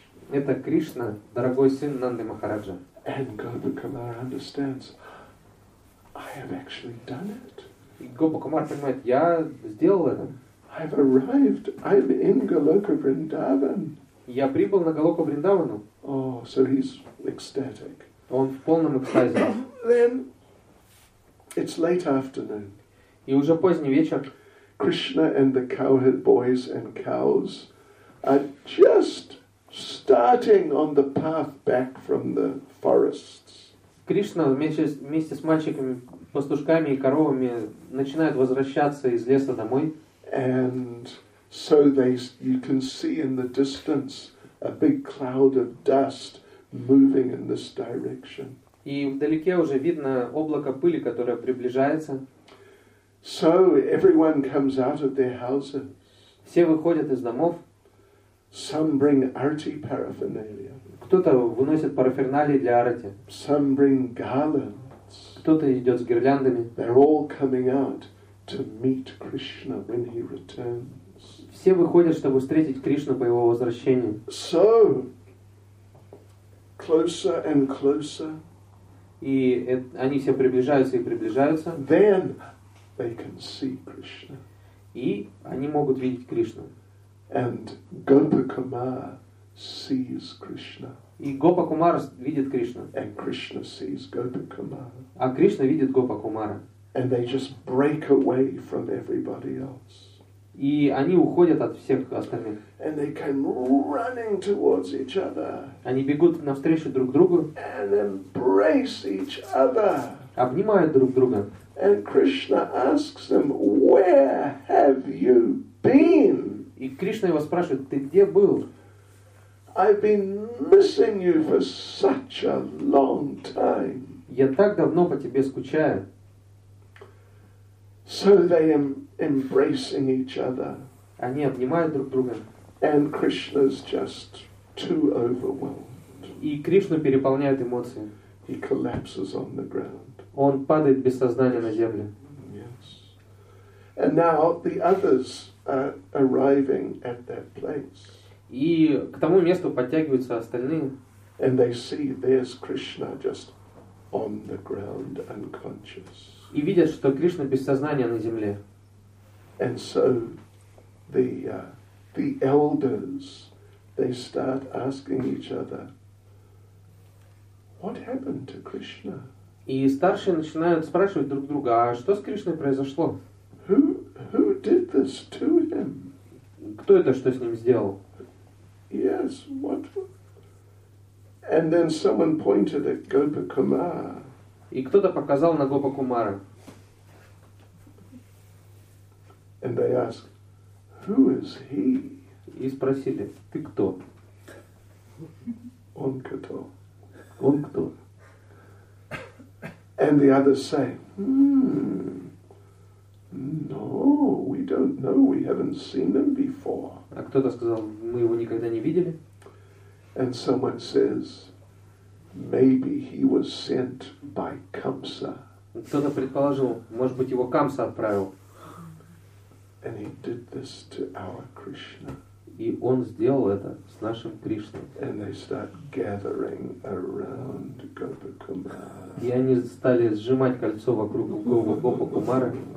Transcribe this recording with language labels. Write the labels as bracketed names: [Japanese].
[Russian] Это Кришна, дорогой сын Нанды Махараджа. [English] And Gopakumar understands, I have actually done it. [Russian] И Гопакумар понимает, я сделал это. [English] I've arrived. I'm in Goloka Vrindavan. [Russian] Я прибыл на Голоку Вриндавану. [English] Oh, so he's ecstatic. [Russian] Он в полном экстазе. [English] Then it's late afternoon. [Russian] И уже поздний вечер. [English] Krishna and the cowherd boys and cows are just starting on the path back from the forests. [Russian] Кришна вместе с мальчиками, пастушками и коровами начинает возвращаться из леса домой. [English] And so they, you can see in the distance a big cloud of dust moving in this direction. [Russian] И вдалеке уже видно облако пыли, которое приближается. [English] So everyone comes out of their houses. [Russian] Все выходят из домов. [English] Some bring arti paraphernalia. [Russian] Кто-то выносит параферналии для арати. [English] Some bring garlands. [Russian] Кто-то идет с гирляндами. [English] They're all coming out to meet Krishna when he returns. [Russian] Все выходят, чтобы встретить Кришну по его возвращении. [English] So closer and closer. [Russian] И они все приближаются и приближаются. [English] Then they can see Krishna. [Russian] И они могут видеть Кришну. [English] And Gopakumar sees Krishna. [Russian] И Гопакумар видит Кришну. [English] And Krishna sees Gopakumar. [Russian] А Кришна видит Гопакумара. [English] And they just break away from everybody else. [Russian] И они уходят от всех остальных. [English] And they come running towards each other. [Russian] Они бегут навстречу друг другу. [English] And embrace each other. [Russian] Обнимают друг друга. [English] And Krishna asks them, "Where have you been?" [Russian] И Кришна его спрашивает, "Ты где был?" [English] I've been missing you for such a long time. [Russian] Я так давно по тебе скучаю. [English] So they embracing each other. [Russian] Они обнимают друг друга. [English] And Krishna's just too overwhelmed. [Russian] И Кришну переполняют эмоции. [English] He collapses on the ground. [Russian] Он падает без сознания на землю. [English] Yes. And now the others are arriving at that place. [Russian] И к тому месту подтягиваются остальные. [English] And they see there's Krishna just on the ground unconscious. [Russian] И видят, что Кришна без сознания на земле. [English] And so the elders, they start asking each other, what happened to Krishna? [Russian] И старшие начинают спрашивать друг друга, а что с Кришной произошло? [English] Who did this to him? [Russian] Кто это что с ним сделал? [English] Yes, what? And then someone pointed at Gopakumar. [Russian] И кто-то показал на Гопакумара. [English] And they asked, who is he? [Russian] И спросили, ты кто? Он кто? Он кто? [English] And the others say, no, we don't know, we haven't seen him before. [Russian] А кто-то сказал, мы его никогда не видели. [English] And someone says, maybe he was sent by Kamsa. [Russian] Кто-то предположил, может быть, его Камса отправил. [English] And he did this to our Krishna. [Russian] И он сделал это с нашим Кришной. [English] And they start gathering around Gopakumara. [Russian] И они стали сжимать кольцо вокруг Гопакумара.